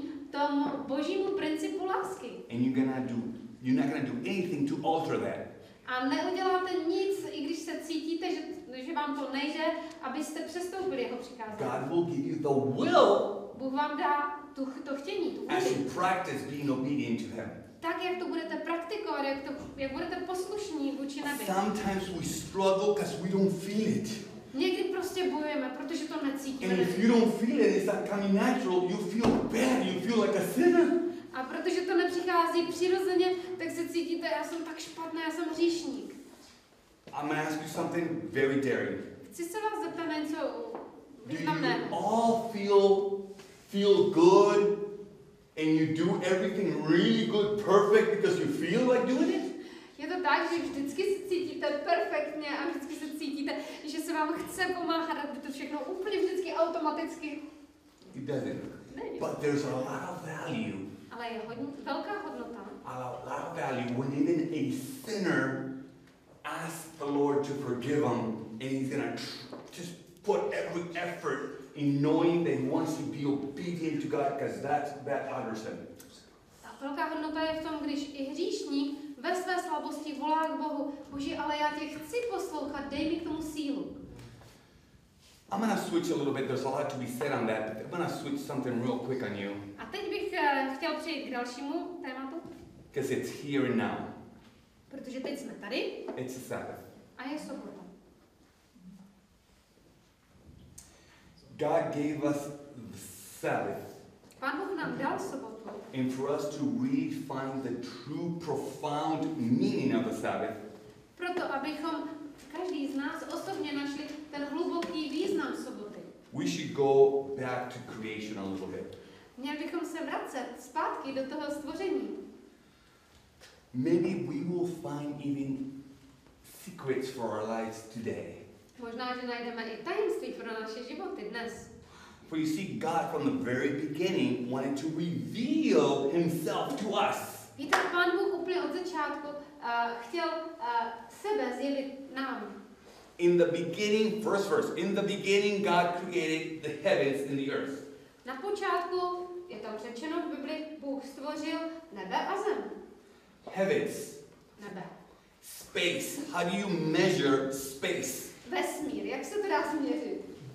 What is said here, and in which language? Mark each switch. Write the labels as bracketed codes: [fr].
[cs] tomu božímu principu lásky. [en] And you're gonna do, you're not gonna do anything to alter that. [cs] A neuděláte nic, i když se cítíte, že vám to nejde, abyste přestoupili jeho přikázání. [en] God will give you the will. [cs] Bůh vám dá tu to chtění, tu vůli. [en] As you practice being obedient to him. [cs] Tak jak to budete praktikovat, jak budete poslušní vůči nebi. [en] Sometimes we struggle because we don't feel it. [cs] Někdy prostě bojujeme, protože to necítíme. [en] And if you don't feel it, it's not coming natural. You feel bad. You feel like a sinner. [cs] A protože to nepřichází přirozeně, tak se cítíte, já jsem tak špatný, já jsem hříšník. [en] I'm gonna ask you something very daring. [cs] Chci se vás zeptat na něco významné. [en] Do you all feel good and you do everything really good, perfect because you feel like doing it? [cs] Je to tak, že vždycky se cítíte perfektně a vždycky se cítíte, že se vám chce pomáhat, aby to všechno úplně vždycky automaticky. [en] It doesn't. But there's a lot of value. [cs] Ale je velká hodnota. [en] A lot of value when even a sinner asks the Lord to forgive him and he's gonna just put every effort in knowing that he wants to be obedient to God because that honors him. [cs] A velká hodnota je v tom, když i hříšník ve své slabosti volá k Bohu, Bože, ale já tě chci poslouchat, dej mi k tomu sílu. [en] I'm gonna switch a little bit. There's a lot to be said on that, but I'm gonna switch something real quick on you. [cs] A teď bych chtěl přejít k dalšímu tématu. [en] Because it's here and now. [cs] Protože teď jsme tady. [en] It's a Sabbath. [cs] A je sobota. [en] God gave us the Sabbath. [cs] Pán Bůh nám dal sobotu. [en] And for us to redefine the true, profound meaning of the Sabbath. [cs] Proto abychom každý z nás osobně našli ten hluboký význam soboty. [en] We should go back to creation a little bit. [cs] Měli bychom se vracet zpátky do toho stvoření. [en] Maybe we will find even secrets for our lives today. [cs] Možná, že najdeme i tajemství pro naše životy dnes. [en] For you see, God from the very beginning wanted to reveal himself to us. [cs] Víte, Pán Bůh úplně od začátku chtěl sebe zjevit nám. [en] In the beginning, first verse, in the beginning God created the heavens and the earth. [cs] Na počátku je tam řečeno v Bibli, Bůh stvořil nebe a zem. [en] Heavens. [cs] Nebe. [en] Space. How do you measure space? [cs] Vesmír, jak se to dá změřit?